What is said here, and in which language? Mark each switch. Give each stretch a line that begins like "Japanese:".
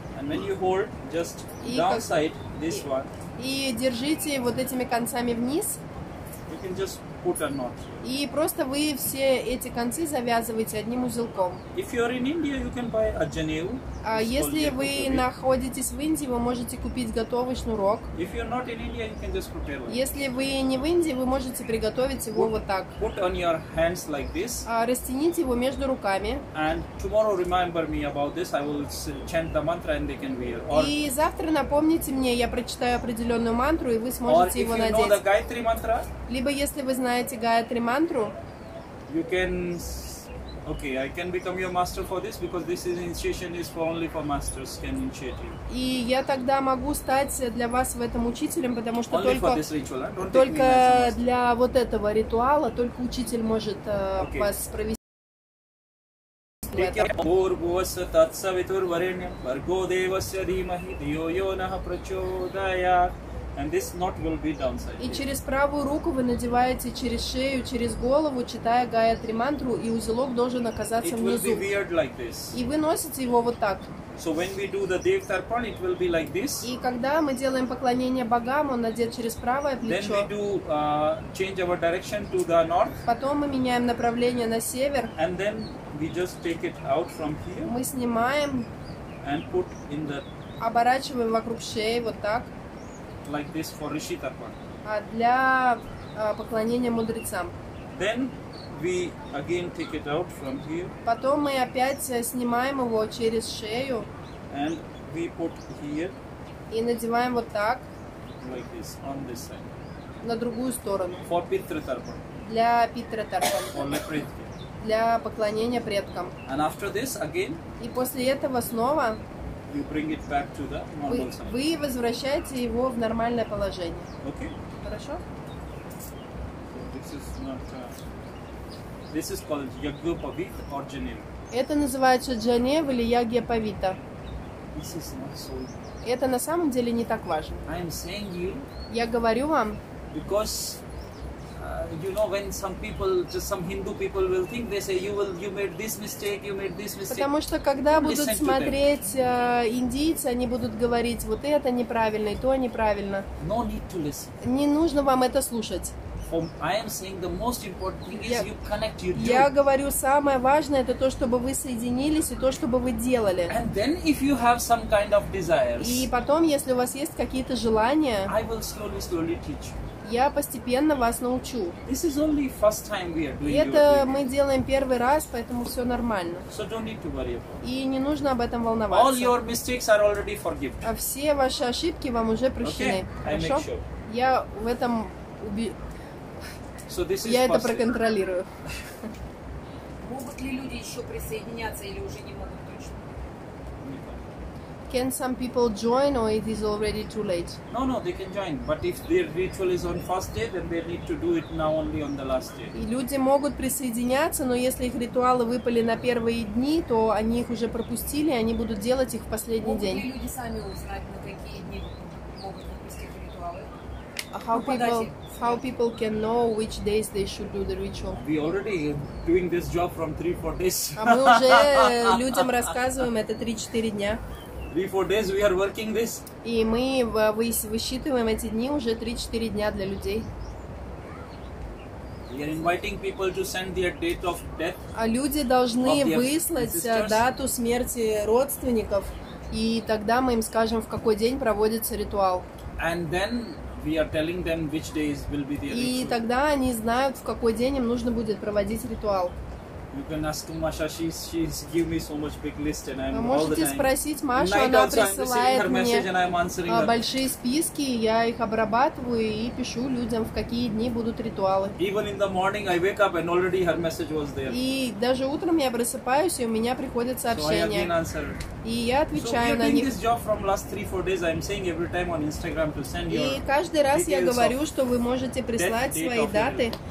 English: When you hold, just downside this one.
Russian: И держите вот этими концами вниз.
English: You can just put a knot.
Russian: И просто вы все эти концы завязываете одним узелком.
English: If you are in India, you can buy a janeu.
Russian: А если вы находитесь в Индии, вы можете купить готовый шнурок.
English: If you are not in India, you can just prepare one.
Russian: Если вы не в Индии, вы можете приготовить его вот так.
English: Put on your hands like this.
Russian: Растяните его между руками.
English: And tomorrow remember me about this. I will chant the mantra and they can wear. Or...
Russian: И завтра напомните мне, я прочитаю определенную мантру и вы сможете
English: or
Russian: его
English: you
Russian: надеть.
English: Know the Gayatri mantra,
Russian: либо если вы знаете Гаятри мантру,
English: you can Okay, I can become your master for this, because this initiation is for only for masters can initiate you.
Russian: И я тогда могу стать для вас в этом учителем, потому что
English: only
Russian: только
English: for this ritual, huh? Don't
Russian: только
English: take me as a master.
Russian: Для вот этого ритуала только учитель может вас провести.
Sanskrit: Пурбуаса татсавитур варенья варго девасья димахи дио йонаха прачодаят.
English: And this knot will be downside.
Russian: И через правую руку вы надеваете через шею, через голову, читая Гаятри мантру, и узелок должен оказаться
English: it
Russian: внизу.
English: Will be weird like this.
Russian: И вы носите его вот так.
English: So when we do the Dev Tarpan, it will be like this.
Russian: И когда мы делаем поклонение богам, он надет через правое плечо.
English: Then we do change our direction to the north.
Russian: Потом мы меняем направление на север.
English: And then we just take it out from here.
Russian: Мы снимаем.
English: And put in the.
Russian: Оборачиваем вокруг шеи вот так.
English: Like this for Rishi Tarpan.
Russian: А для поклонения мудрецам.
English: Then we again take it out from here.
Russian: Потом мы опять снимаем его через шею.
English: And we put here.
Russian: И надеваем вот так.
English: Like this on this side.
Russian: На другую сторону.
English: For Pitra Tarpan.
Russian: Для Pitra Tarpan.
English: For the Pritri.
Russian: Для поклонения предкам.
English: And after this again.
Russian: И после этого снова.
English: You bring it back to the normal side.
Russian: Вы возвращаете его в нормальное положение.
English: Okay.
Russian: Хорошо?
English: This is not. This is called Yagyopavit or Janeva.
Russian: Это называется Джанев или Ягьяпавита.
English: This is not so.
Russian: Это на самом деле не так важно.
English: I am saying you.
Russian: Я говорю вам.
English: Because. You know, when some people, just some Hindu people will think, they say, you made this mistake.
Russian: Потому что когда будут смотреть индийцы, они будут говорить, вот это неправильно, и то неправильно.
English: No need to listen.
Russian: Не нужно вам это слушать.
English: I am saying the most important thing is you connect, you do.
Russian: Я говорю, самое важное это то, чтобы вы соединились и то, чтобы вы делали.
English: And then if you have some kind of desires.
Russian: И потом, если у вас есть какие-то желания.
English: I will slowly teach you.
Russian: Я постепенно вас научу.
English: This is only first time we are doing.
Russian: Это мы делаем первый раз, поэтому все нормально.
English: So don't need to worry about.
Russian: И не нужно об этом волноваться.
English: All your mistakes are already forgiven.
Russian: А все ваши ошибки вам уже прощены.
English: Okay.
Russian: Хорошо?
English: I make sure.
Russian: Я в этом
English: So this is
Russian: я это проконтролирую. Могут ли люди еще присоединяться или уже не могут точно?
English: Can some people join or it is already too late? No, no, they can join. But if their ritual is on first day, then they need to do it now only on the last day.
Russian: И люди могут присоединяться, но если их ритуалы выпали на первые дни, то они их уже пропустили, они будут делать их в последний могут день. Могут ли люди сами узнать, на какие дни могут пропустить ритуалы?
English: How people can know which days they should do the ritual? We already doing this job from 3-4 days.
Russian: А мы уже людям рассказываем это 3-4 дня.
English: 3-4 days we are working this.
Russian: И мы высчитываем эти дни уже 3-4 дня для людей.
English: We are inviting people to send their date of death.
Russian: А люди должны выслать дату смерти родственников, и тогда мы им скажем, в какой день проводится ритуал.
English: And then we are telling them which days will be the ritual.
Russian: И тогда они знают, в какой день им нужно будет проводить ритуал.
English: You can ask Masha. She's give me so much big list, and I'm all the time.
Russian: Можете спросить Машу, она присылает мне большие списки, я их обрабатываю и пишу людям, в какие дни будут ритуалы.
English: Even in the morning, I wake up and already her message was there.
Russian: И даже утром я просыпаюсь, и у меня приходят сообщения.
English: So I again answer.
Russian: И я отвечаю на них.
English: So we've been this job from last 3-4 days. I'm saying every time on Instagram to send your.
Russian: И каждый раз я говорю, что вы можете прислать свои даты.